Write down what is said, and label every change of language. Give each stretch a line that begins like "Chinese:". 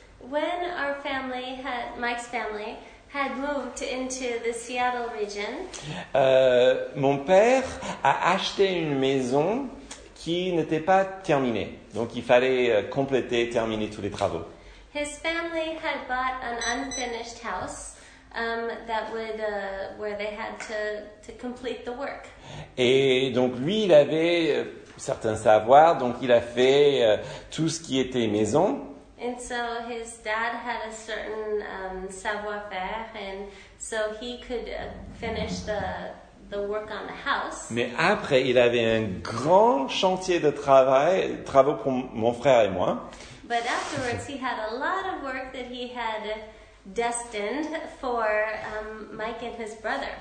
English: when our family had, Mike's family had moved into the Seattle region,
French: mon père a acheté une maison qui n'était pas terminée. Donc il fallait compléter, terminer tous les travaux.
English: His family had bought an unfinished house that would where they had to complete the work.
French: Et donc lui, il avait certains savoirs, donc il a fait tout ce qui était maison.
English: And so his dad had a certain savoir-faire, and so he could finish the work on the house.
French: Mais après, il avait un grand chantier de travaux pour mon frère et moi.
English: But afterwards, he had a lot of work that he had destined for Mike and his brother.